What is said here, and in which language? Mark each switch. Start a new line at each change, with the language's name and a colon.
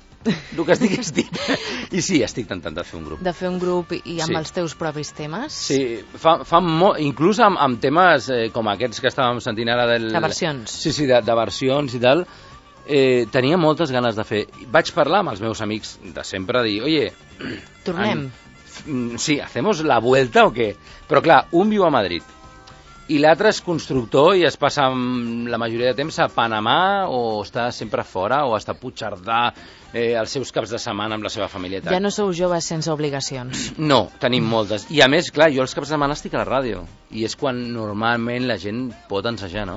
Catalan: El que estic és tip. I sí, estic tentant de fer un grup. De fer un grup i amb sí. Els teus propis temes? Sí, inclús amb temes com aquests que estàvem sentint ara... De versions. Sí, sí, de versions i tal. Tenia moltes ganes de fer. Vaig parlar amb els meus amics de sempre, dir, oye... Tornem.
Spanish: Sí, ¿hacemos la vuelta o qué?
Catalan: Però clar, un viu a Madrid i l'altre és constructor i es passa la majoria de temps a Panamà o està sempre fora o està a Puigcerdà els seus caps de setmana amb la seva família. Ja no sou joves sense obligacions. No, tenim moltes. I a més, clar, jo els caps de setmana estic a la ràdio i és quan normalment la gent pot ensejar, no?